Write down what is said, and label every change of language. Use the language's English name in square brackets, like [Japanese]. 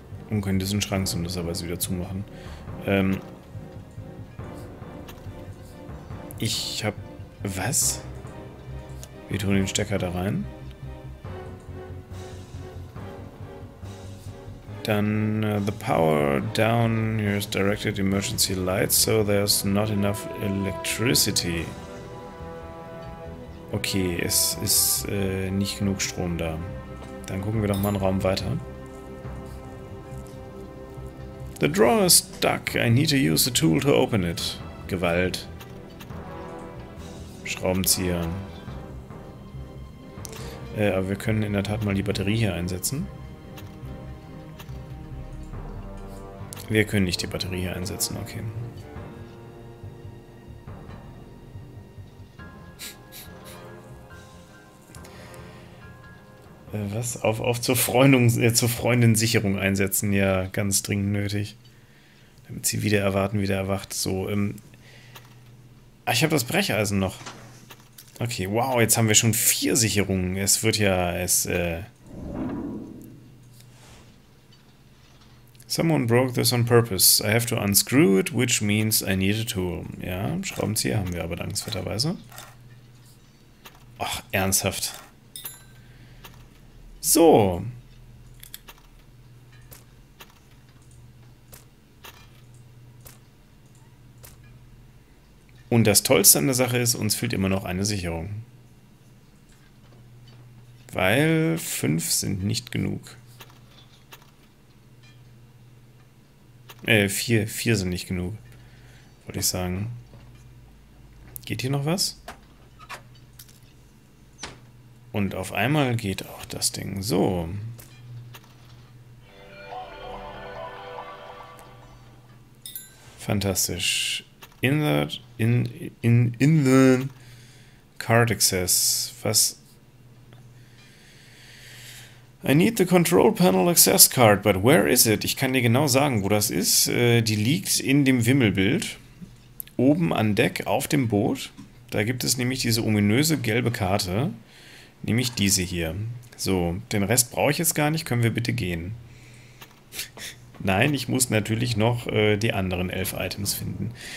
[German] Und können diesen Schrank und das aber wieder zumachen. Ich hab... Was? Wir tun den Stecker da rein. [English] Dann, the power down here is directed emergency light, so there's not enough electricity. [German] Okay, es ist nicht genug Strom da. Dann gucken wir doch mal einen Raum weiter. [English] The drawer is stuck. I need to use a tool to open it. [German] Gewalt. Schraubenzieher. Aber wir können in der Tat mal die Batterie hier einsetzen. Wir können nicht die Batterie hier einsetzen, okay. Was? Auf zur Freundung, zur Freundin-Sicherung einsetzen, ja, ganz dringend nötig. Damit sie wieder erwarten, wieder erwacht. So, ich habe das Brecheisen noch. Okay, wow, jetzt haben wir schon 4 Sicherungen. Es wird ja, es, [English] Someone broke this on purpose. I have to unscrew it, which means I need a tool. [German] Ja, Schraubenzieher haben wir aber dankenswerterweise. Ach, ernsthaft. So. Und das Tollste an der Sache ist, uns fehlt immer noch eine Sicherung. Weil 5 sind nicht genug. 4 sind nicht genug. Wollte ich sagen. Geht hier noch was? Und auf einmal geht auch das Ding so. [English] Fantastisch. In the card access. Was? I need the control panel access card, but where is it? [German] Ich kann dir genau sagen, wo das ist. Die liegt in dem Wimmelbild. Oben an Deck auf dem Boot. Da gibt es nämlich diese ominöse gelbe Karte. Nämlich diese hier. So, den Rest brauche ich jetzt gar nicht. Können wir bitte gehen? Nein, ich muss natürlich noch die anderen 11 Items finden.